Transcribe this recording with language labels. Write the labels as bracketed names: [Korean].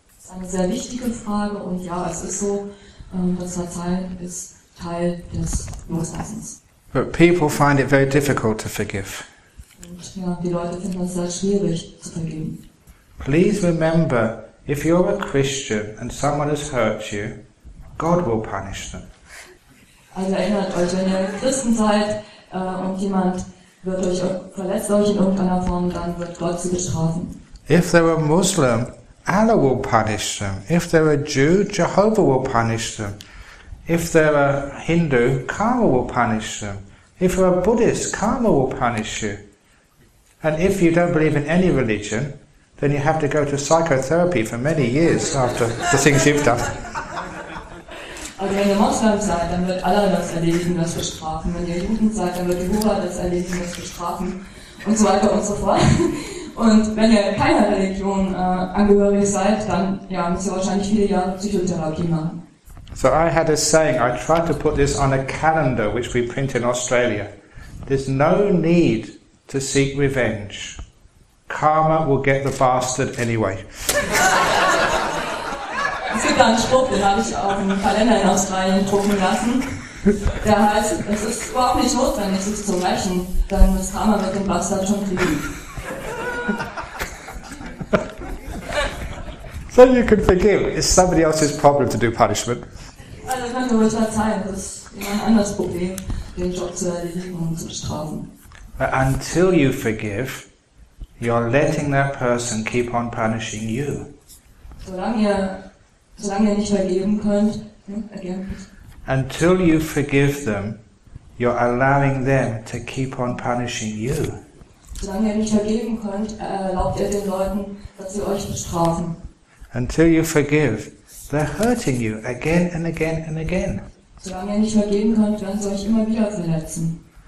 [German] Das ist eine sehr wichtige Frage und ja, es ist so, das Verzeihen ist Teil des Loslassens. [English] But people find it very difficult to forgive. [German] Ja, die Leute finden das sehr schwierig zu vergeben. [English] Please remember, if you're a Christian and someone has hurt you, God will punish them. [German] Also erinnert euch, wenn ihr Christen seid und jemand wird euch verletzt euch in irgendeiner Form, dann wird Gott sie bestrafen. [English] If they're a Muslim, Allah will punish them. If they're a Jew, Jehovah will punish them. If they're a Hindu, karma will punish them. If you're a Buddhist, karma will punish you. And if you don't believe in any religion, then you have to go to psychotherapy for many years after the things you've done. [German] Also wenn ihr Moslem seid, dann wird Allah das erledigen, das bestrafen. Wenn ihr Juden seid, dann wird Jehovah das erledigen, das bestrafen. Und so weiter und so fort. Und wenn ihr keiner Religion angehörig seid, dann ja, müsst ihr wahrscheinlich viele Jahre Psychotherapie machen. [English] So I had a saying, I tried to put this on a calendar which we print in Australia. There's no need to seek revenge. Karma will get the bastard anyway. [German] Es gibt da einen Spruch, den habe ich auf dem Kalender in Australien drucken lassen. Der heißt, es ist überhaupt nicht notwendig, sich zu rächen, denn das Karma wird den Bastard schon kriegen. [English] So you can forgive. It's somebody else's problem to do punishment. [German] Also kannst du ruhig verzeihen, das ist jemand anderes Problem, den Job zu erledigen und zu bestrafen. [English] But until you forgive, you're letting that person keep on punishing you. [German] Solange ihr nicht vergeben könnt, [English] until you forgive them, you're allowing them to keep on punishing you. [German] Solange ihr nicht vergeben könnt, erlaubt ihr den Leuten, dass sie euch bestrafen. [English] Until you forgive, they're hurting you again and again and again. [German] Solange ihr nicht vergeben könnt, werden sie euch immer wieder verletzen.